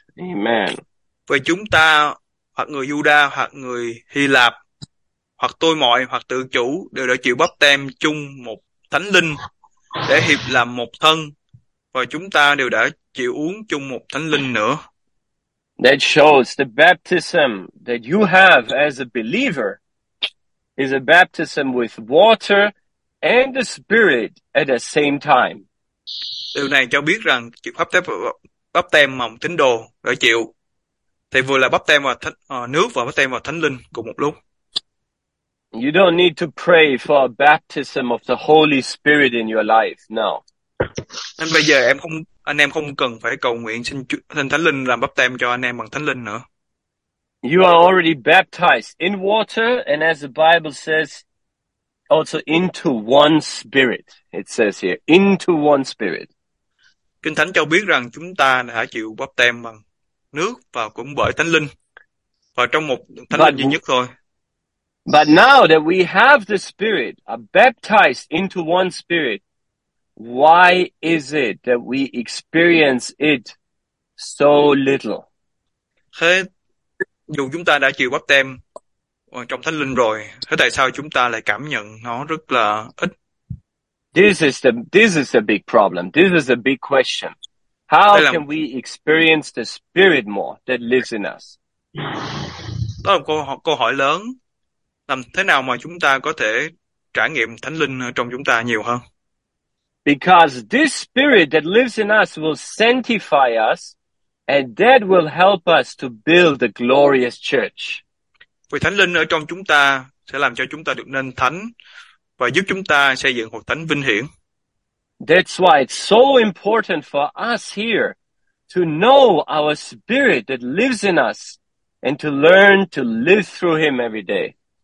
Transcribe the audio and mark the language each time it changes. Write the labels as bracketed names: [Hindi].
[Vietnamese] Amen. Vì chúng ta, hoặc người Giuđa, hoặc người Hy Lạp, hoặc tôi mọi, hoặc tự chủ, đều đã chịu báp têm chung một thánh linh để hiệp làm một thân, và chúng ta đều đã chịu uống chung một thánh linh nữa. [English] That shows the baptism that you have as a believer is a baptism with water and the spirit at the same time. [Vietnamese] Điều này cho biết rằng chịu báp têm mà tín đồ đã chịu thì vừa là báp têm vào thánh, nước và báp têm vào thánh linh cùng một lúc. [English] You don't need to pray for a baptism of the Holy Spirit in your life, no. [Vietnamese] Nên bây giờ anh em không cần phải cầu nguyện xin Thánh Linh làm báp têm cho anh em bằng Thánh Linh nữa. [English] You are already baptized in water, and as the Bible says, also into one spirit. It says here, into one spirit. [Vietnamese] Kinh Thánh cho biết rằng chúng ta đã chịu báp têm bằng nước và cũng bởi Thánh Linh, và trong một Thánh Linh duy nhất thôi. [English] But now that we have the Spirit, are baptized into one Spirit, why is it that we experience it so little? [Vietnamese] Thế dù chúng ta đã chịu báp têm trong Thánh Linh rồi, thế tại sao chúng ta lại cảm nhận nó rất là ít? [English] This is the big problem. This is a big question. How can we experience the Spirit more that lives in us? [Vietnamese] Đó là một câu hỏi lớn. Làm thế nào mà chúng ta có thể trải nghiệm Thánh Linh trong chúng ta nhiều hơn? [English] Because this spirit that lives in us will sanctify us and that will help us to build the glorious church. [Vietnamese] Vì Thánh Linh ở trong chúng ta sẽ làm cho chúng ta được nên thánh và giúp chúng ta xây dựng hội thánh vinh hiển. [English] That's why it's so important for us here to know our spirit that lives in us and to learn to live through him every day.